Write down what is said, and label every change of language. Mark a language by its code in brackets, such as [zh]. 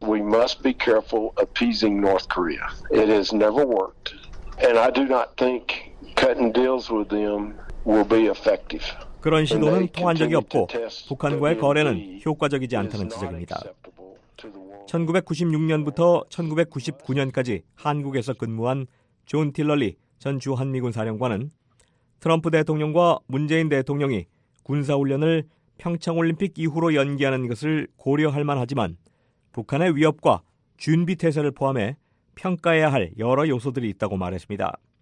[en] We must be careful appeasing North Korea. It has never worked. And I do not think cutting deals with them will be effective. [ko] 그런 시도는 통한 적이 없고 북한과의 거래는 효과적이지 않다는 지적입니다. 1996년부터 1999년까지 한국에서 근무한 존 틸러리 전 주한미군 사령관은 트럼프 대통령과 문재인 대통령이 군사훈련을 평창올림픽 이후로 연기하는 것을 고려할 만하지만 북한의 위협과 준비태세를 포함해 평가해야 할 여러 요소들이 있다고 말했습니다.